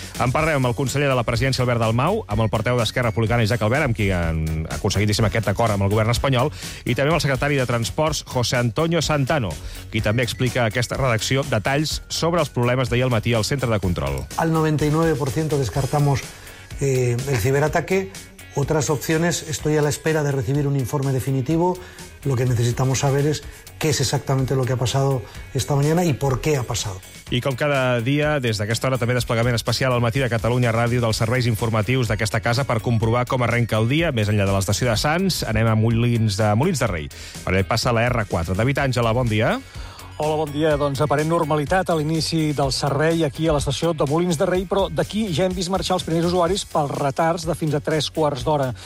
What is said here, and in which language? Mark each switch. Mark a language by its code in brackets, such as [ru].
[ca] En parlem amb el conseller de la presidència, Albert Dalmau, amb el portaveu d'Esquerra Republicana, Isaac Albert, amb qui han aconseguit, diguéssim, aquest acord amb el govern espanyol, i també amb el secretari de Transports, José Antonio Santano, qui també explica a aquesta redacció detalls sobre els problemes d'ahir al matí al centre de control. [es] Al 99% descartamos el ciberataque. Otras opciones, estoy a la espera de recibir un informe definitivo. Lo que necesitamos saber es qué es exactamente lo que ha pasado esta mañana y por qué ha pasado. [ca] I com cada dia, des d'aquesta hora també desplegament especial al matí de Catalunya Ràdio dels serveis informatius d'aquesta casa per comprovar com arrenca el dia. Més enllà de l'estació de Sants, anem a Molins de Rei. Per allà passa la R4. David Àngela, bon dia. Hola, bon dia. Doncs aparent normalitat a l'inici del servei aquí a l'estació de Molins de Rei, però d'aquí ja hem vist marxar els primers usuaris pels retards de fins a 3/4 d'hora.